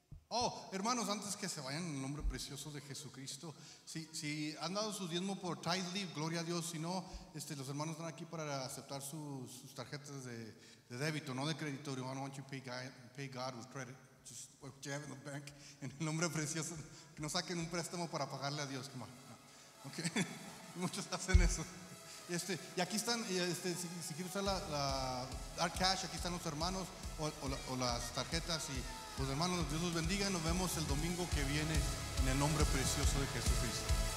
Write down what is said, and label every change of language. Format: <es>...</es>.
<es>Oh, hermanos, antes que se vayan, en el nombre precioso de Jesucristo, si han dado su diezmo por Tithely, gloria a Dios. Si no, los hermanos están aquí para aceptar sus tarjetas de débito, no de crédito.</es> <en>I don't want you to pay God with credit. Just what you have in the bank.</en> <es>En el nombre precioso, que no saquen un préstamo para pagarle a Dios.</es> <en>Come on.</en> <es>Okay. Muchos hacen eso. Y aquí están, si quieren usar la dar cash, aquí están los hermanos o las tarjetas. Y pues hermanos, Dios los bendiga y nos vemos el domingo que viene en el nombre precioso de Jesucristo.</es>